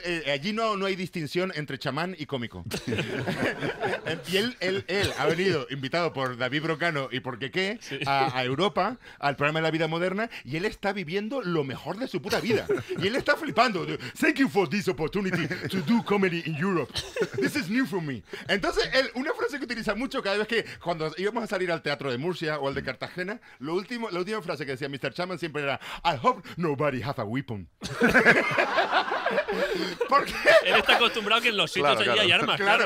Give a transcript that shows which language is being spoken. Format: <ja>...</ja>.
<es>Allí no hay distinción entre chamán y cómico. Y él ha venido, invitado por David Broncano y por Keke, a Europa, al programa de la vida moderna, y él está viviendo lo mejor de su puta vida. Y él está flipando.</es> <en>Thank you for this opportunity to do comedy in Europe. This is new for me.</en> <es>Entonces, una frase que utiliza mucho cada vez que, cuando íbamos a salir al teatro de Murcia o al de Cartagena, la última frase que decía Mr.</es> <en>Chaman</en> <es>siempre era,</es> <en>I hope nobody has a weapon.</en> <es>Porque él está acostumbrado que en los sitios allí hay armas.</es>